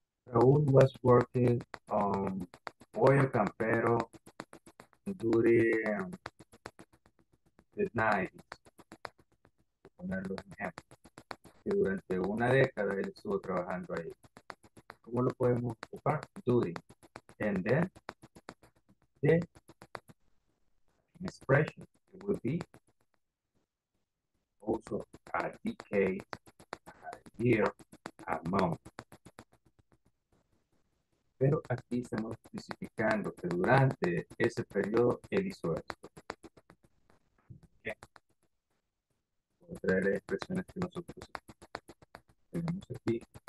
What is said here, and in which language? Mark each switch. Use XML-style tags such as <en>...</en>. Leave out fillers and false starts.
<en>Raúl was working on Pollo Campero during the 90s.</en> <es>Ponerlo en ejemplo. Que durante una década él estuvo trabajando ahí. ¿Cómo lo podemos ocupar? During.</es> <en>And then, the expression would be also a decade, a year, a month.</en> <es>Pero aquí estamos especificando que durante ese periodo él hizo esto. Voy a traer las expresiones que nosotros tenemos aquí.</es>